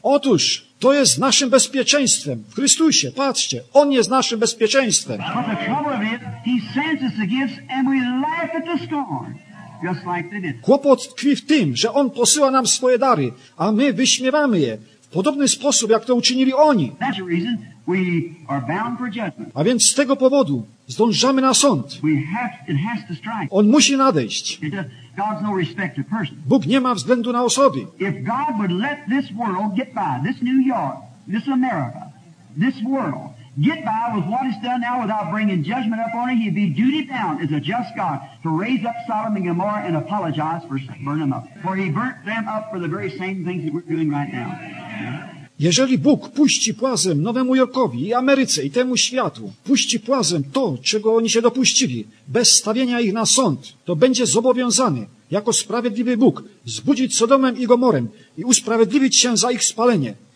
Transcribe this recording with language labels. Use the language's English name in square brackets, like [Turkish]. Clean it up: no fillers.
[Polish] Otóż, to jest naszym bezpieczeństwem w Chrystusie. Patrzcie, On jest naszym bezpieczeństwem. [English] But the trouble of it, He sends us the gifts and we laugh at the storm. Just like they did. [Polish] Kłopot tkwi w tym, że On posyła nam swoje dary, a my wyśmiewamy je w podobny sposób, jak to uczynili oni. [English] That's the reason we are bound for judgment. [Polish] A więc z tego powodu zdążamy na sąd. [English] It has to strike. [Polish] On musi nadejść. [English] God's no respect to person. [Polish] Bóg nie ma względu na osoby. [English] If God would let this world get by, this New York, this America, this world get by with what is done now without bringing judgment up on it, he'd be duty bound as a just God to raise up Sodom and Gomorrah and apologize for burning them up. For he burnt them up for the very same things that we're doing right now. [Polish] Jeżeli Bóg puści płazem Nowemu Jorkowi i Ameryce i temu światu, puści płazem to, czego oni się dopuścili, bez stawienia ich na sąd, to będzie zobowiązany, jako sprawiedliwy Bóg, zbudzić Sodomem i Gomorem i usprawiedliwić się za ich spalenie.